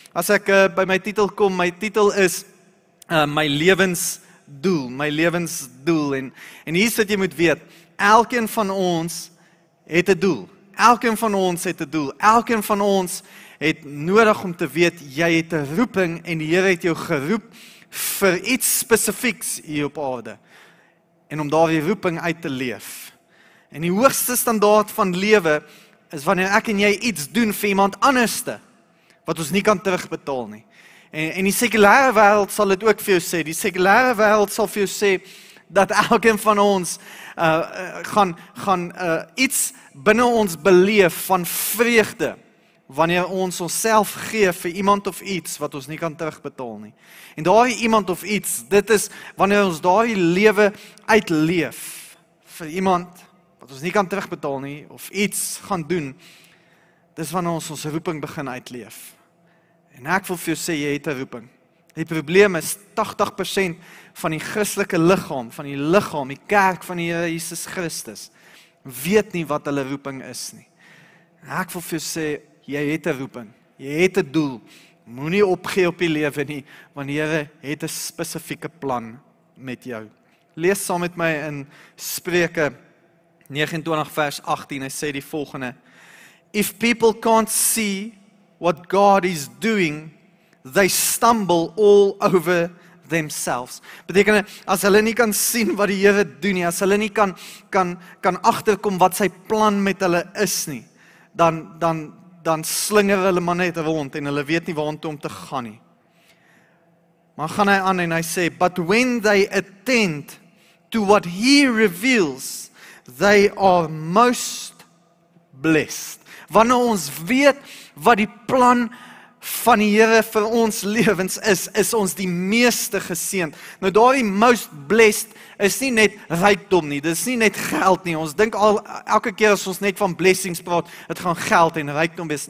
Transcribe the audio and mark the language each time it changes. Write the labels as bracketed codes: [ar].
[af] As ek by my titel kom, my titel is my lewensdoel en hier is wat jy moet weet, elkeen van ons het 'n doel. Elkeen van ons het 'n doel. Elkeen van ons het nodig om te weet, jy het 'n roeping en die Here het jou geroep vir iets spesifieks hier op aarde. En om daardie roeping uit te leef. En die hoogste standaard van lewe is wanneer ek en jy iets doen vir iemand anderste, wat ons nie kan terugbetaal nie. En die sekulêre wêreld sal dit ook vir jou sê, die sekulêre wêreld sal vir jou sê, dat elkeen van ons gaan iets binne ons beleef van vreugde, wanneer ons onsself gee vir iemand of iets wat ons nie kan terugbetaal nie. En daai iemand of iets, dit is wanneer ons daai lewe uitleef vir iemand wat ons nie kan terugbetaal nie, of iets gaan doen, dis wanneer ons roeping begin uitleef. En ek wil vir jou sê, jy het 'n roeping. Die probleem is 80% van die Christelike liggaam, van die liggaam, die kerk van die Here Jesus Christus, weet nie wat hulle roeping is nie. En ek wil vir jou sê, jy het 'n roeping, jy het 'n doel, moenie opgee op die lewe nie, want die Here het 'n spesifieke plan met jou. Lees saam met my in Spreuke 29 vers 18, hy sê die volgende: [en] If people can't see what God is doing, they stumble all over themselves. [af] Beteken, as hulle nie kan sien wat die Here doen nie, as hulle nie kan agterkom wat sy plan met hulle is nie, dan slinger hulle maar net rond en hulle weet nie waartoe om te gaan nie. Maar gaan hy aan en hy sê, [en] but when they attend to what he reveals, they are most blessed. [af] Wanneer ons weet wat die plan van die Here vir ons lewens is, is ons die meeste geseend. Nou daardie [en] most blessed [af] is nie net rykdom nie, dis nie net geld nie. Ons dink al elke keer as ons net van blessings praat, dit gaan geld en rykdom wees.